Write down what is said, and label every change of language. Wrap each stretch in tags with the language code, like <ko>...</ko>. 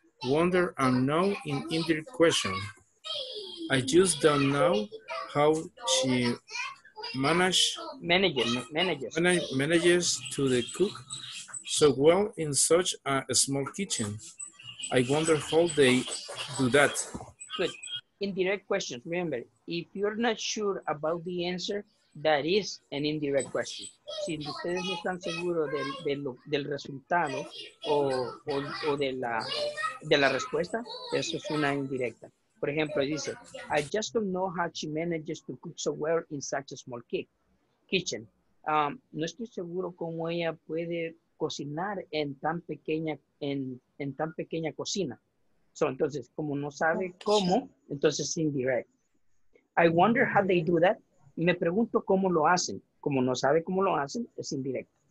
<en>Wonder and know in indirect question. I just don't know how she manages to the cook so well in such a small kitchen. I wonder how they do that. Good. Indirect questions. Remember, if you're not sure about the answer, that is an indirect question.</en> <es>Si ustedes no están seguros del resultado o de la respuesta, eso es una indirecta. Por ejemplo, dice,</es> <en>I just don't know how she manages to cook so well in such a small kitchen.</en> <es>No estoy seguro cómo ella puede cocinar en tan pequeña cocina. So, entonces, como no sabe cómo, entonces es indirect.</es> <en>I wonder how they do that.</en> <es>Me pregunto cómo lo hacen. Como no sabe cómo lo hacen, es indirecto.</es>